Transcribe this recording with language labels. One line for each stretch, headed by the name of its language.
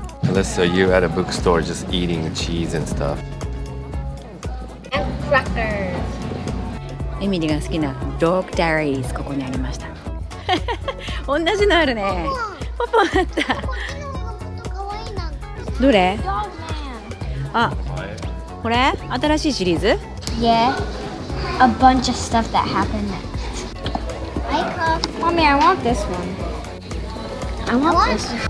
English: Alyssa, you're at a bookstore just eating cheese and stuff. And crackers.
Japanese: エミリが好きなドッグダイアリーズここにありました。同じのあるね。ポポだった。どれ？あ、これ新しいシリーズ
English: ？Yeah, a bunch of stuff that happened. Mommy, I want this one. I want this.